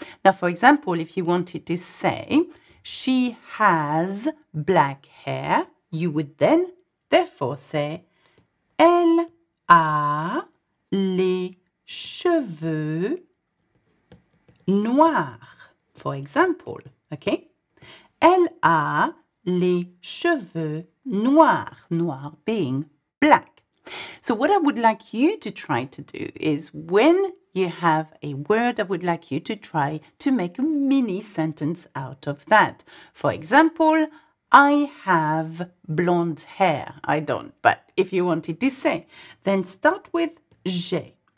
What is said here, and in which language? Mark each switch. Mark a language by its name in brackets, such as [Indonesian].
[English] Now, for example, if you wanted to say, she has black hair, you would then therefore say, [French] elle a les cheveux noirs, [English] for example, okay? [French] Elle a les cheveux noirs, noir [English] being black. So what I would like you to try to do is when you have a word, I would like you to try to make a mini sentence out of that. For example, I have blonde hair. I don't, but if you wanted to say, then start with j'ai.